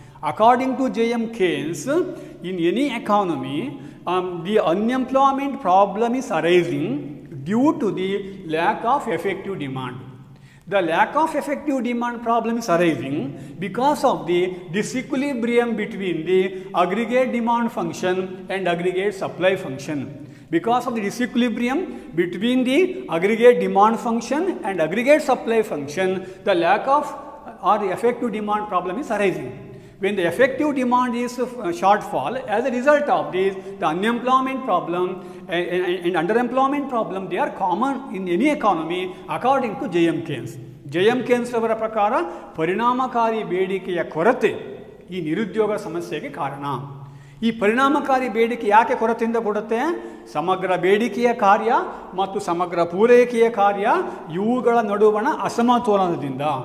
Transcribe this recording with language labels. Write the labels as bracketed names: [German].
[English] According to J M Keynes in any economy the unemployment problem is arising due to the lack of effective demand. The lack of effective demand problem is arising because of the disequilibrium between the aggregate demand function and aggregate supply function. Because of the disequilibrium between the aggregate demand function and aggregate supply function, the lack of or the effective demand problem is arising. When the effective demand is shortfall, as a result of this, the unemployment problem and underemployment problem, they are common in any economy according to J.M. Keynes. J.M. [Kannada] Keynes ಅವರ ಪ್ರಕಾರ ಪರಿಣಾಮಕಾರಿ ಬೇಡಿಕೆಯ ಕೊರತೆ ಈ ನಿರುದ್ಯೋಗ ಸಮಸ್ಯೆಗೆ ಕಾರಣ. ಈ ಪರಿಣಾಮಕಾರಿ ಬೇಡಿಕೆ ಯಾಕೆ ಕೊರತೆಯಿಂದ ಕೊಡುತ್ತೆ? ಸಮಗ್ರ ಬೇಡಿಕೆಯ ಕಾರ್ಯ ಮತ್ತು ಸಮಗ್ರ ಪೂರೈಕೆಯ ಕಾರ್ಯ ಇವುಗಳ ನಡುವಣ ಅಸಮತೋಲನದಿಂದ.